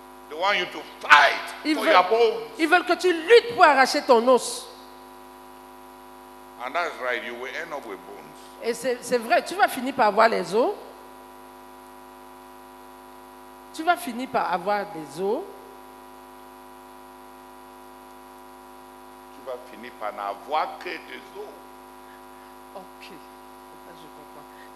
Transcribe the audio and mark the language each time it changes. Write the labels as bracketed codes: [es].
[en] They want you to fight for your bones. [fr] Ils veulent que tu luttes pour arracher ton os. [en] And that's right, you will end up with bones. [fr] Et c'est vrai, tu vas finir par avoir les os. Tu vas finir par avoir des os. Tu vas finir par n'avoir que des os. Ok. Je comprends.